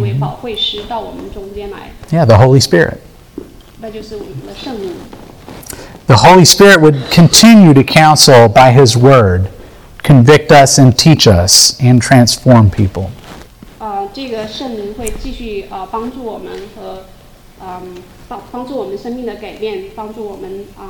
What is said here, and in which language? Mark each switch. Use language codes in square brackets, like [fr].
[zh] 当他离开我们的时候，他应许我们说会派一位保惠师到我们中间来。 [en] Yeah, the Holy Spirit. [zh] 那就是我们的圣灵。 [en] The Holy Spirit would continue to counsel by his word, convict us and teach us and transform people. [zh] 这个圣灵会继续帮助我们和帮助我们生命的改变，帮助我们。